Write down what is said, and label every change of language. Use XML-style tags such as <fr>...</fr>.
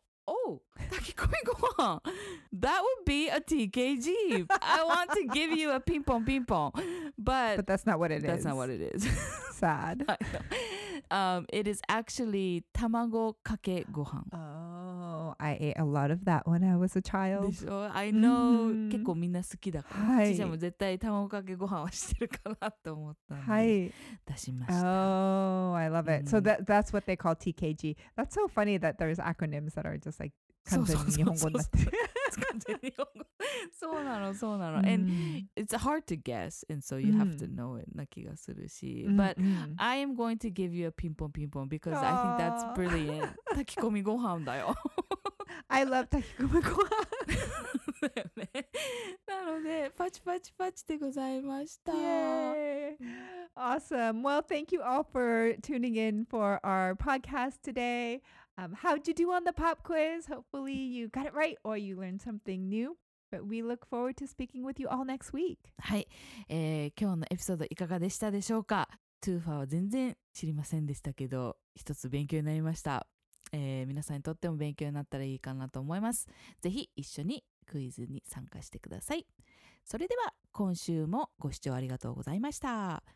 <en>Oh, 炊き込めご飯.That would be a TKG. I want to give you a ping pong ping pong. But that's not what it is. That's not what it is. Sad. It is actually 卵かけご飯. Oh. I ate a lot of that when I was a child.</en> <ja>でしょ?</ja> <en>I know.</en> <ja>結構みんな好きだから。はい。ちちゃんも絶対卵かけご飯はしてるかなと思ったので。はい。出しました。</ja> <en>Oh, I love it. So that's what they call TKG. That's so funny that there's acronyms that are just like</en> <ja>完全に日本語になってる。完全に日本語。そうなの、そうなの。</ja> <en>And it's hard to guess, and so you have to know it</en> <ja>な気がするし。</ja> <en>But I am going to give you a ping pong ping pong because I think that's brilliant.</en> <ja>炊き込みご飯だよ。</ja> <en>I love 炊き込みご飯。</en> <ja>なので、パチパチパチでございました。</ja> <en>Yay! Awesome. Well, thank you all for tuning in for our podcast today. How'd you do on the pop quiz? Hopefully you got it right or you learned something new. But we look forward to speaking with you all next week.</en> <ja>はい。今日のエピソードいかがでしたでしょうか ?TWFA は全然知りませんでしたけど、一つ勉強になりました。皆さんにとっても勉強になったらいいかなと思います。ぜひ一緒にクイズに参加してください。それでは今週もご視聴ありがとうございました。</ja>